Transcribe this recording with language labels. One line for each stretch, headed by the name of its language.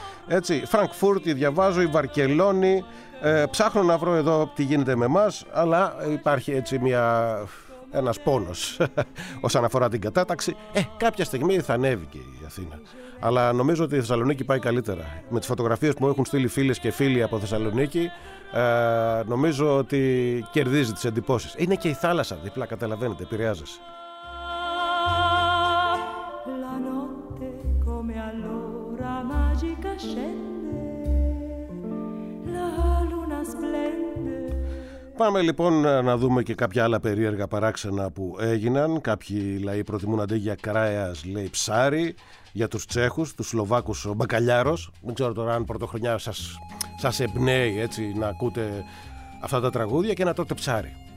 Greek: Έτσι, Φραγκφούρτη διαβάζω, η Βαρκελόνη, ψάχνω να βρω εδώ τι γίνεται με εμάς, αλλά υπάρχει έτσι ένας πόνος όσον αφορά την κατάταξη. Κάποια στιγμή θα ανέβει και η Αθήνα. Αλλά νομίζω ότι η Θεσσαλονίκη πάει καλύτερα. Με τις φωτογραφίες που μου έχουν στείλει φίλες και φίλοι από Θεσσαλονίκη, νομίζω ότι κερδίζει τις εντυπώσεις. Είναι και η θάλασσα δίπλα, καταλαβαίνετε, επηρεάζεσαι.
Italian: La notte come allora magica scende. La luna splende.
Greek: Πάμε λοιπόν να δούμε και κάποια άλλα περίεργα παράξενα που έγιναν. Κάποιοι λαοί προτιμούν αντί για κράιας, λέει, ψάρι. Για τους Τσέχους, τους Σλοβάκους, ο Μπακαλιάρος. Δεν ξέρω τώρα αν πρωτοχρονιά σας εμπνέει, έτσι, να ακούτε αυτά τα τραγούδια και να τρώτε ψάρι.